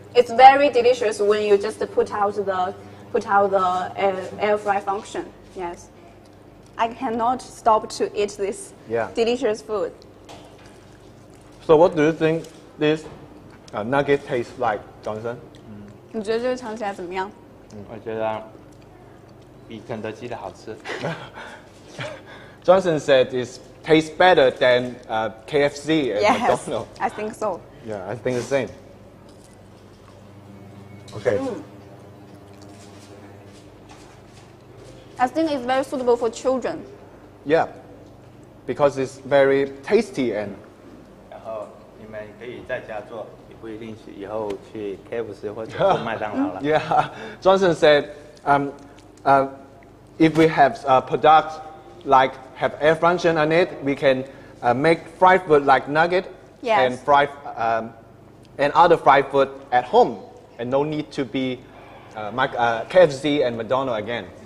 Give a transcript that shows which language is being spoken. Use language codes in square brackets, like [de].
[en] It's very delicious when you just put out the air fry function. Yes. I cannot stop to eat this delicious food. So what do you think this nugget tastes like, Johnson? Mm. [zh] 你觉得这个尝起来怎么样? 我觉得比肯德基的好吃。 [en] Johnson said it tastes better than KFC and yes, McDonald's. I think so. Yeah, I think the same. Okay. Mm. I think it's very suitable for children. Yeah, because it's very tasty and. [zh] 然后你们可以在家做，也不一定去以后去 KFC 或者麦当劳了。 [en] Yeah, Johnson said, if we have a product like have air function on it, we can make fried food like nugget and fried and other fried food at home, and no need to be KFC and McDonald's again.